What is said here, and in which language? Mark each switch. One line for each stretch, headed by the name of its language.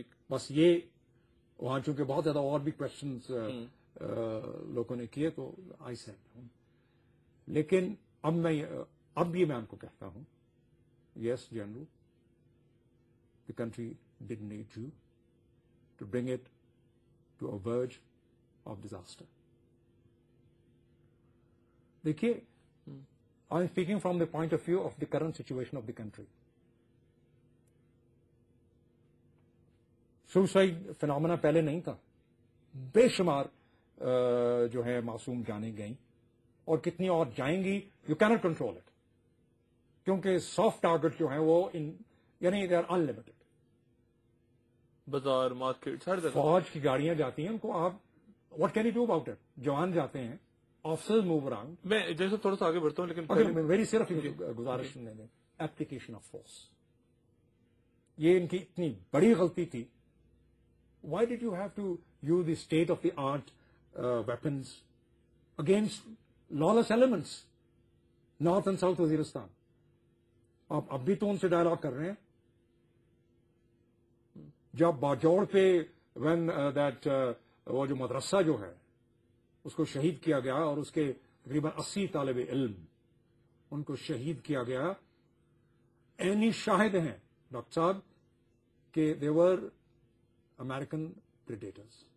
Urdu: بس یہ وہاں چونکہ بہت زیادہ اور بھی کوشچنس لوگوں نے کیے تو
English: I said,
Urdu: لیکن اب بھی میں ان کو کہتا ہوں,
English: Yes general, the country did need you to bring it to a verge of disaster.
Urdu: دیکھیے
English: I am speaking from the point of view of the current situation of the country.
Urdu: Suicide phenomena پہلے نہیں تھا, بے شمار جو ہے معصوم جانے گئیں, اور کتنی اور جائیں گی
English: you can't control it,
Urdu: کیونکہ سافٹ ٹارگیٹ جو ہیں وہ یعنی
English: they are unlimited,
Urdu: بازار مارکیٹ ہر جگہ فوج کی گاڑیاں جاتی ہیں, ان کو آپ
English: what can you do about it,
Urdu: جوان جاتے ہیں,
English: Officer move around.
Urdu: میں جیسے تھوڑا سا آگے بڑھتا ہوں, لیکن میری صرف گزارش لینے دیں, ایپلیکیشن آف فورس, یہ ان کی اتنی بڑی غلطی تھی.
English: Why did you have to use the state-of-the-art weapons against lawless elements, North and South Waziristan?
Urdu: آپ اب بھی تو ان سے ڈائلاگ کر رہے ہیں, جب باجوڑ پہ
English: when that
Urdu: وہ جو مدرسہ جو ہے اس کو شہید کیا گیا, اور اس کے تقریباً 80 طالب علم ان کو شہید کیا گیا, عینی شاہد ہیں ڈاکٹر صاحب کہ
English: they were American predators.